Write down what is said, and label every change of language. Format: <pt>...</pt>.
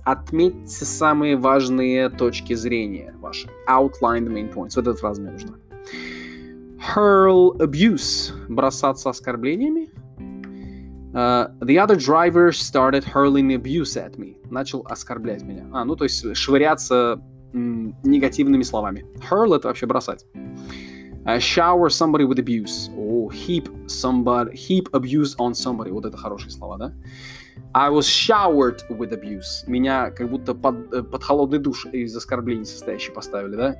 <ru>Отметьте самые важные точки зрения ваши.</ru> <en>Outline the main points.</en> <ru>Вот эта фраза мне нужна.</ru> <en>Hurl abuse.</en> <ru>Бросаться оскорблениями.</ru> <en>The other driver started hurling abuse at me.</en> <ru>Начал оскорблять меня. А, ну то есть швыряться негативными словами. Hurl — это вообще бросать.</ru> <en>Shower somebody with abuse. Oh, heap somebody, heap abuse on somebody.</en> <ru>Вот это хорошие слова, да?</ru> <en>I was showered with abuse.</en> <ru>Меня как будто под холодный душ из оскорблений состоящий поставили, да?</ru>